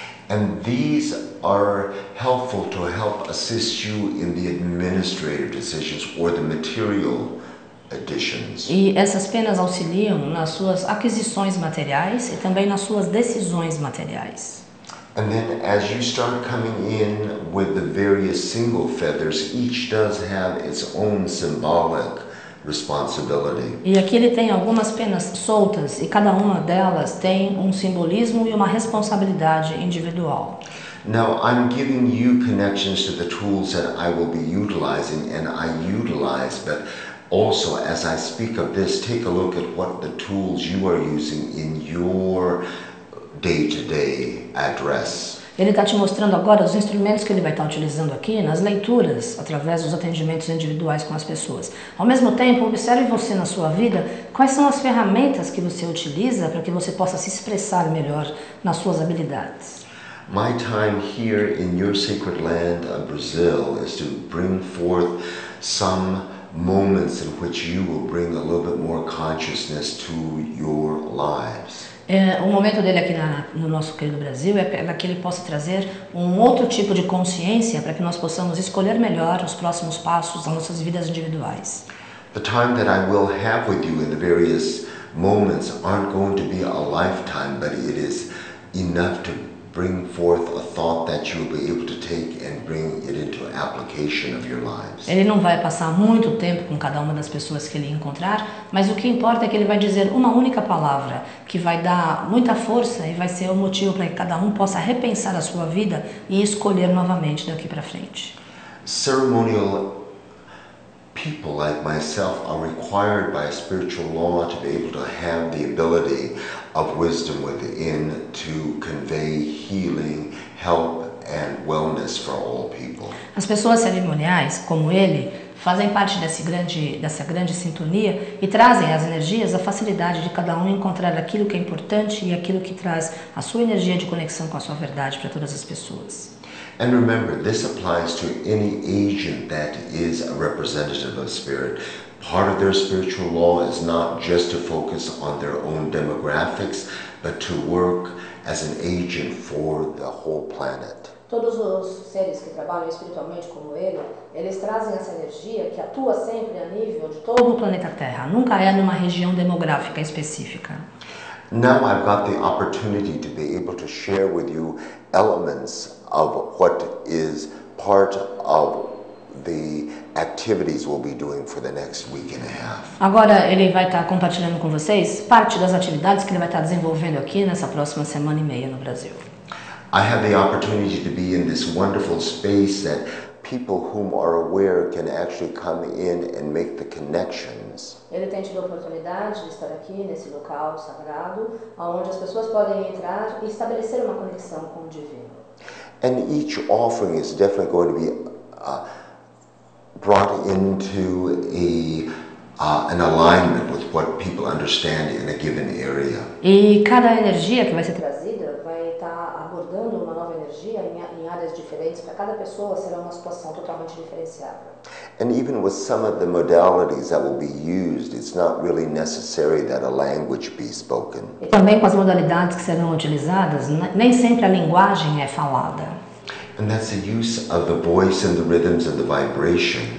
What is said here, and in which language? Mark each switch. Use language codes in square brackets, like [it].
[en] And these are helpful to help assist you in the administrative decisions or the material additions. [pt] E essas penas auxiliam nas suas aquisições materiais e também nas suas decisões materiais. [en] And then as you start coming in with the various single feathers, each does have its own symbolic responsibility. [pt] E aqui ele tem algumas penas soltas e cada uma delas tem um simbolismo e uma responsabilidade individual. [en] Now, I'm giving you connections to the tools that I will be utilizing, and I utilize, but also, as I speak of this, take a look at what the tools you are using in your day-to-day address. [pt] Ele está te mostrando agora os instrumentos que ele vai estar utilizando aqui nas leituras, através dos atendimentos individuais com as pessoas. Ao mesmo tempo, observe você na sua vida, quais são as ferramentas que você utiliza para que você possa se expressar melhor nas suas habilidades. [en] My time here in your sacred land of Brazil is to bring forth some moments in which you will bring a little bit more consciousness to your lives. [pt] O momento dele aqui no nosso querido Brasil é para que ele possa trazer um outro tipo de consciência para que nós possamos escolher melhor os próximos passos das nossas vidas individuais. [en] The time that I will have with you in the various moments aren't going to be a lifetime, but it is enough to bring forth a thought that you will be able to take and bring it into application of your lives. [pt] Ele não vai passar muito tempo com cada uma das pessoas que ele encontrar, mas o que importa é que ele vai dizer uma única palavra que vai dar muita força e vai ser o motivo para que cada um possa repensar a sua vida e escolher novamente daqui para frente. [en] Ceremonial people like myself are required by spiritual law to be able to have the ability of wisdom within to convey healing, help and wellness for all people. [pt] As pessoas cerimoniais, como ele, fazem parte dessa grande sintonia e trazem as energias, a facilidade de cada um encontrar aquilo que é importante e aquilo que traz a sua energia de conexão com a sua verdade para todas as pessoas. [en] And remember, this applies to any agent that is a representative of spirit. Part of their spiritual law is not just to focus on their own demographics, but to work as an agent for the whole planet. [pt] Todos os seres que trabalham espiritualmente como ele, eles trazem essa energia que atua sempre a nível de todo o planeta Terra, nunca é numa região demográfica específica. [en] Now I've got the opportunity to be able to share with you elements of what is part of the activities we'll be doing for the next week and a half. [pt] Agora ele vai estar compartilhando com vocês parte das atividades que ele vai estar desenvolvendo aqui nessa próxima semana e meia no Brasil. [en] I have the opportunity to be in this wonderful space that people whom are aware can actually come in and make the connections. [pt] Ele tem tido a oportunidade de estar aqui nesse local sagrado, onde as pessoas podem entrar e estabelecer uma conexão com o divino. [en] And each offering is definitely going to be brought into an alignment with what people understand in a given area. [pt] E cada energia que vai ser trazida vai estar abordando uma nova energia em áreas diferentes. Para cada pessoa será uma situação totalmente diferenciada. [en] And even with some of the modalities that will be used, it's not really necessary that a language be spoken. [pt] E também com as modalidades que serão utilizadas, nem sempre a linguagem é falada. [en] And that's the use of the voice and the rhythms and the vibrations.